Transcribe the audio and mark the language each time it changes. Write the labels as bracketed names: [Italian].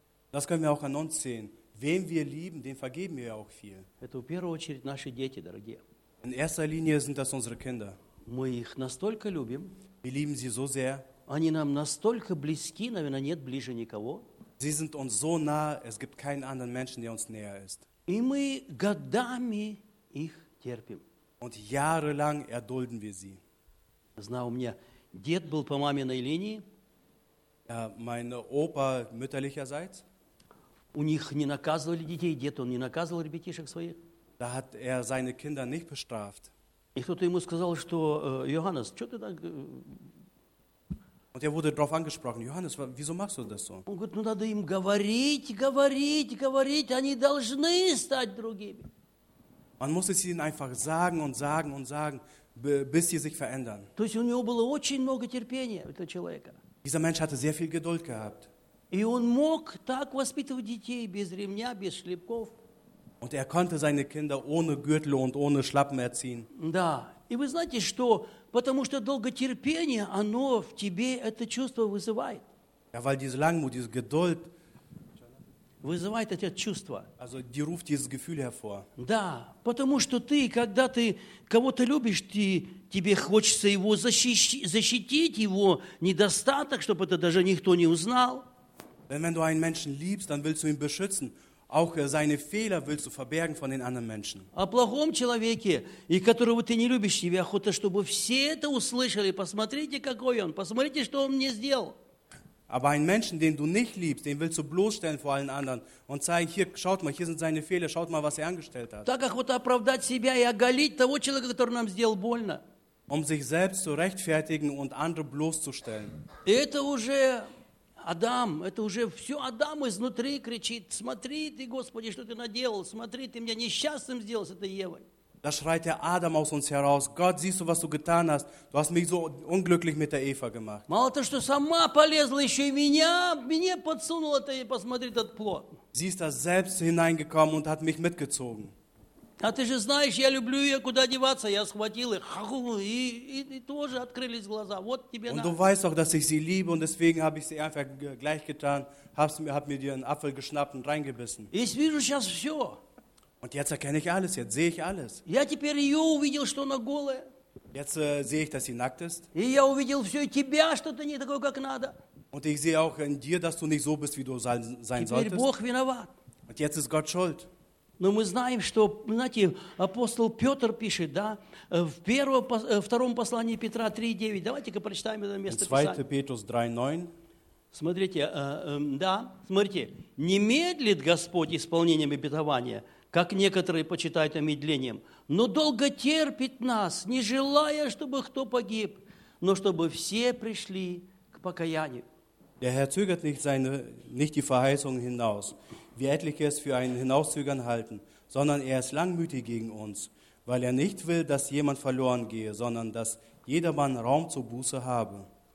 [German] Das können wir auch an uns sehen. Wem wir lieben, dem vergeben wir auch viel. [Russian] Это в первую очередь наши дети, дорогие. [German] In erster Linie sind das unsere Kinder. [Russian] Мы их настолько любим. [German] Wir lieben sie so sehr. [Russian] Они нам настолько близки, наверное, нет ближе никого. [German] Sie sind uns so nah, es gibt keinen anderen Menschen, der uns näher ist. [Russian] И мы годами их терпим. [German] Und jahrelang erdulden wir sie. [Russian] Знаю, у меня дед был по маминой линии. [German] Ja, mein Opa mütterlicherseits. [Russian] У них не наказывали детей, дед он не наказывал ребятишек своих. [German] Da hat er seine Kinder nicht bestraft. [Russian] И кто-то ему сказал, что Johannes, что ты так? [German] Und er wurde darauf angesprochen, Johannes, wieso machst du das so? [Russian] Он говорит, ну надо им говорить, говорить, говорить, они должны стать другими. [German] Man muss es ihnen einfach sagen und sagen und sagen, bis sie sich verändern. [Russian] То есть у него было очень много терпения этого человека. [German] Dieser Mensch hatte sehr viel Geduld gehabt. [Russian] И он мог так воспитывать детей без ремня, без шлепков. [German] Und er konnte seine Kinder ohne Gürtel und ohne Schlappen erziehen. [Russian] Да. И вы знаете что? Потому что долготерпение, оно в тебе это чувство вызывает. [German] Ja, weil diese Langmut, diese Geduld, [Russian] вызывает это чувство. [German] Also, die ruft dieses Gefühl hervor. [Russian] Да, потому что ты, когда ты кого-то любишь, ты, тебе хочется его защитить, его недостаток, чтобы это даже никто не узнал. [German] Wenn du einen Menschen liebst, dann willst du ihn beschützen. Auch seine Fehler willst du verbergen von den anderen Menschen. [Russian] О плохом человеке, и которого ты не любишь, тебе охота, чтобы все это услышали. Посмотрите, какой он. Посмотрите, что он мне сделал. [German] Aber einen Menschen, den du nicht liebst, den willst du bloßstellen vor allen anderen und zeigen, hier, schaut mal, hier sind seine Fehler, schaut mal, was er angestellt hat. [Russian] Так охота оправдать себя и оголить того человека, который нам сделал больно. [German] Um sich selbst zu rechtfertigen und andere bloßzustellen. [Russian] Это уже... Адам, это уже все Адам изнутри кричит, смотри ты, Господи, что ты наделал, смотри, ты меня несчастным сделал с этой Евой. [German] Da schreit der Adam aus uns heraus, Gott, siehst du, was du getan hast, du hast mich so unglücklich mit der Eva gemacht. [Russian] Мало то, что сама полезла, еще и мне подсунула, ты посмотри этот плод. [German] Sie ist da selbst hineingekommen und hat mich mitgezogen. [Russian] А ты же знаешь, я люблю ее, куда деваться, я схватил их, и тоже открылись глаза, вот тебе [German] und [Russian] на. [German] Du weißt auch, dass ich sie liebe, und deswegen habe ich sie einfach gleich getan, hab mir dir einen Apfel geschnappt und reingebissen. Ich [Russian] вижу сейчас все. [German] Und jetzt erkenne ich alles, jetzt sehe ich alles. [Russian] Я теперь ее увидел, что она голая. [German] Jetzt sehe ich, dass sie nackt ist. [Russian] И я увидел все, и тебя, что ты не такой, как надо. [German] Und ich sehe auch in dir, dass du nicht so bist, wie du sein [Russian] теперь [German] solltest. [Russian] Бог виноват. [German] Und jetzt ist Gott schuld. [Russian] Но мы знаем, что, знаете, апостол Петр пишет, да, в первом, втором послании Петра 3:9. Давайте-ка прочитаем это место Писания. 2 Петрус 3:9. Смотрите, да, смотрите. «Не медлит Господь исполнением обетования, как некоторые почитают омедлением, но долго терпит нас, не желая, чтобы кто погиб, но чтобы все пришли к покаянию». [German] Der Herr zögert nicht die Verheißung hinaus, wie etliche es für ein Hinauszögern halten, sondern er ist langmütig gegen uns, weil er nicht will, dass jemand verloren gehe, sondern dass jedermann Raum zur Buße habe.